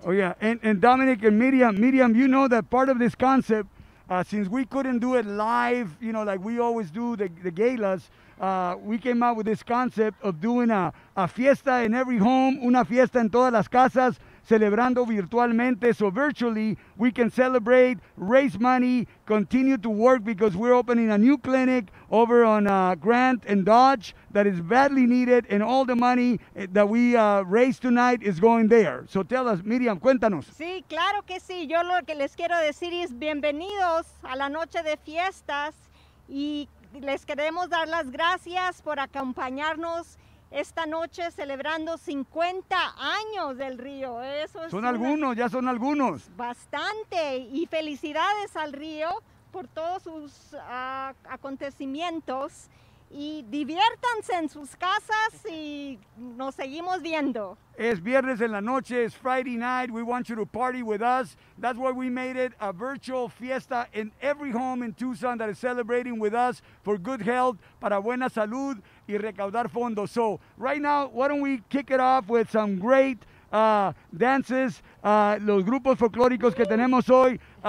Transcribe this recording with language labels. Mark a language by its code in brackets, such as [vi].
[en] Oh yeah, and Dominic and Miriam, you know that part of this concept, since we couldn't do it live, you know, like we always do the galas, we came up with this concept of doing a fiesta in every home, [es] una fiesta en todas las casas, celebrando virtualmente, [en] so virtually we can celebrate, raise money, continue to work, because we're opening a new clinic over on Grant and Dodge that is badly needed, and all the money that we raise tonight is going there. So tell us, Miriam, [es] cuéntanos. Sí, claro que sí. Yo lo que les quiero decir es bienvenidos a la noche de fiestas y les queremos dar las gracias por acompañarnos esta noche celebrando 50 años del río. Eso es son algunos. Bastante. Y felicidades al río por todos sus acontecimientos. Y diviértanse en sus casas y nos seguimos viendo. Es viernes en la noche, es [en] Friday night. We want you to party with us. That's why we made it a virtual fiesta in every home in Tucson that is celebrating with us for good health, [es] para buena salud y recaudar fondos. [en] So right now, why don't we kick it off with some great dances, [es] los grupos folclóricos que tenemos hoy.